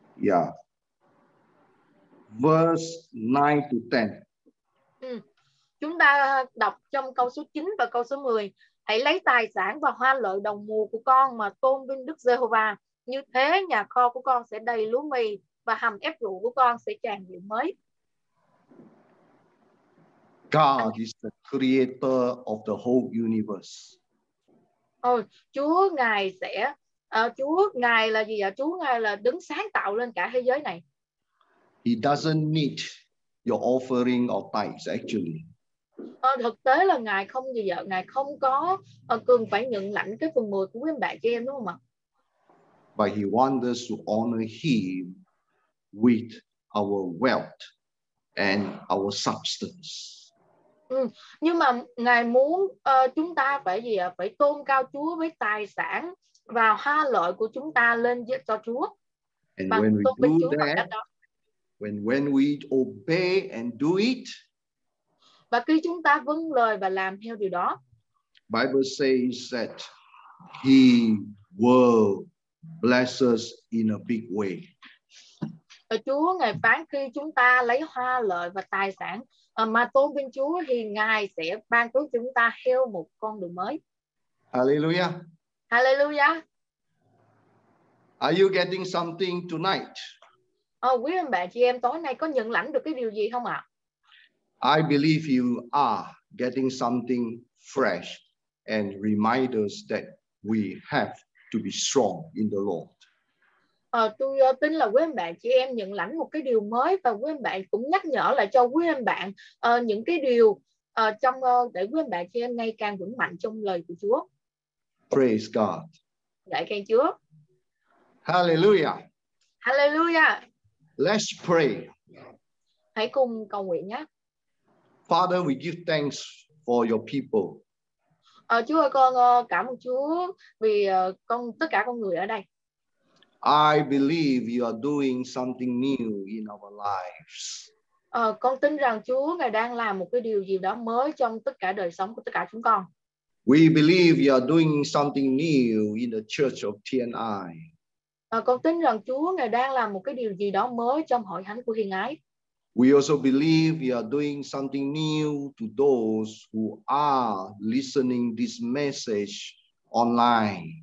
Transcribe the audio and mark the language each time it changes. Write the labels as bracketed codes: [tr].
[en] Yeah. Verse 9 to 10. [vi] Chúng ta đọc trong câu số 9 và câu số 10. Hãy lấy tài sản và hoa lợi đồng mùa của con mà tôn vinh Đức Giê-hô-va. Như thế nhà kho của con sẽ đầy lúa mì và hầm ép rượu của con sẽ tràn rượu mới. [en] God is the creator of the whole universe. [vi] Chúa Ngài sẽ Chúa Ngài là gì vậy? Chúa Ngài là đứng sáng tạo lên cả thế giới này. [en] He doesn't need your offering or tithes actually. [vi] Thực tế là Ngài không gì vậy? Ngài không có cần phải nhận lãnh cái phần 10 của quý bà chị em đúng không ạ? [en] But he wants us to honor him with our wealth and our substance. [vi] Nhưng mà Ngài muốn chúng ta phải gì ạ? Phải tôn cao Chúa với tài sản và hoa lợi của chúng ta lên cho Chúa. [en] And when we do that, when we obey and do it, [vi] và khi chúng ta vâng lời và làm theo điều đó, [en] Bible says that He will bless us in a big way. [vi] Chúa Ngài phán khi chúng ta lấy hoa lợi và tài sản mà tôn vinh Chúa thì Ngài sẽ ban phước chúng ta theo một con đường mới. [en] Hallelujah. Hallelujah. Are you getting something tonight? [vi] Quý anh bạn chị em tối nay có nhận lãnh được cái điều gì không ạ? [en] I believe you are getting something fresh and remind us that we have to be strong in the Lord. [vi] Tôi tin là quý anh bạn chị em nhận lãnh một cái điều mới và quý anh bạn cũng nhắc nhở lại cho quý anh bạn những cái điều trong để quý anh bạn chị em ngày càng vững mạnh trong lời của Chúa. [en] Praise God. [vi] Lạy khen Chúa. [en] Hallelujah. Hallelujah. Let's pray. [vi] Hãy cùng cầu nguyện nhé. [en] Father, we give thanks for your people. [vi] Chúa ơi, con cảm ơn Chúa vì con tất cả con người ở đây. [en] I believe you are doing something new in our lives. [vi] Con tin rằng Chúa Ngài đang làm một cái điều gì đó mới trong tất cả đời sống của tất cả chúng con. [en] We believe you are doing something new in the church of TNI. [vi] Con tin rằng Chúa Ngài đang làm một cái điều gì đó mới trong hội thánh của Hiền Ái. [en] We also believe you are doing something new to those who are listening this message online.